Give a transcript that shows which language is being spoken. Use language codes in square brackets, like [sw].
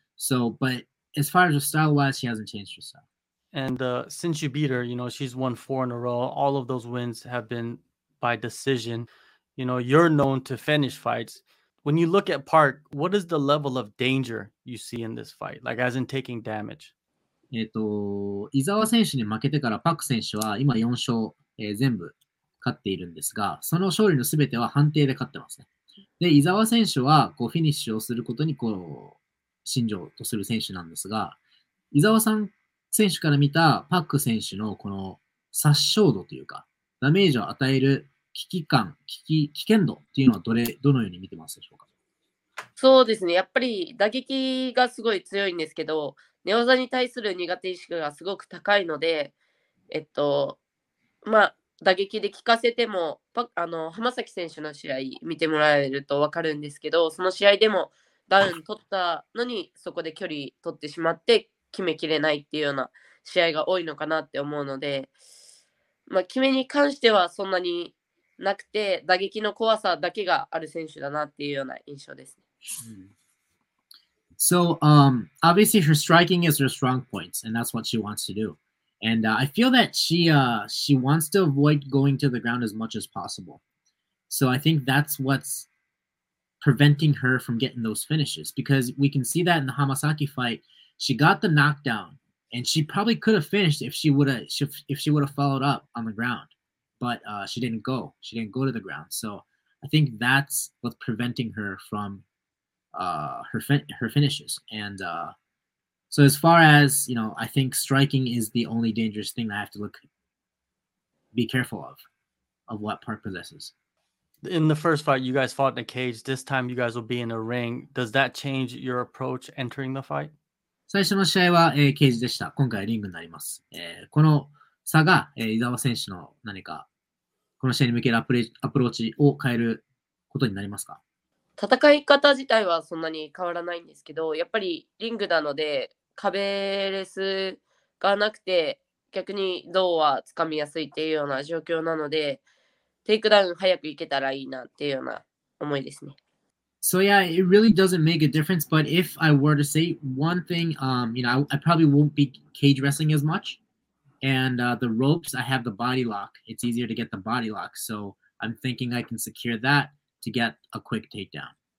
[en] So, but as far as the style wise, she hasn't changed herself. And since you beat her, you know, she's won 4 in a row. All of those wins have been by decision. You know, you're known to finish fights. When you look at Park, what is the level of danger you see in this fight? Like, as in taking damage? [ja] 伊沢選手に負けてからパク選手は今4勝、全部勝っているんですが、その勝利のすべては判定で勝ってますね。で、伊沢選手はこうフィニッシュをすることにこう信条とする選手なんですが、伊沢さん選手から見たパク選手のこの殺傷度というか、ダメージを与える危機感、危険度っていうのはどのように見てますでしょうか？そうですね。やっぱり打撃がすごい強いんですけど、寝技に対する苦手意識がすごく高いので、まあ、打撃で効かせてもあの浜崎選手の試合見てもらえると分かるんですけど、その試合でもダウン取ったのにそこで距離取ってしまって決めきれないっていうような試合が多いのかなって思うので、まあ、決めに関してはそんなになくて、打撃の怖さだけがある選手だなっていうような印象ですね。 [en] So, obviously her striking is her strong points, and that's what she wants to do. And I feel that she wants to avoid going to the ground as much as possible. So I think that's what's preventing her from getting those finishes, because we can see that in the Hamasaki fight, she got the knockdown, and she probably could have finished if she would have followed up on the ground, but she didn't go. She didn't go to the ground. So I think that's what's preventing her from her finishes. And so as far as, you know, I think striking is the only dangerous thing that I have to be careful of what Park possesses. In the first fight, you guys fought in a cage. This time you guys will be in a ring. Does that change your approach entering the fight? [ja] 最初の試合は、ケージでした。今回はリングになります。この差が、伊沢選手の何か、この試合に向けるアプローチを変えることになりますか？戦い方自体はそんなに変わらないんですけど、やっぱりリングなので壁レスがなくて、逆に胴はつかみやすいっていうような状況なので、テイクダウン早く行けたらいいなっていうような思いですね。 [en] So yeah, it really doesn't make a difference, but if I were to say one thing, you know, I probably won't be cage wrestling as much. And the ropes, I have the body lock. It's easier to get the body lock, so I'm thinking I can secure that to get a quick takedown.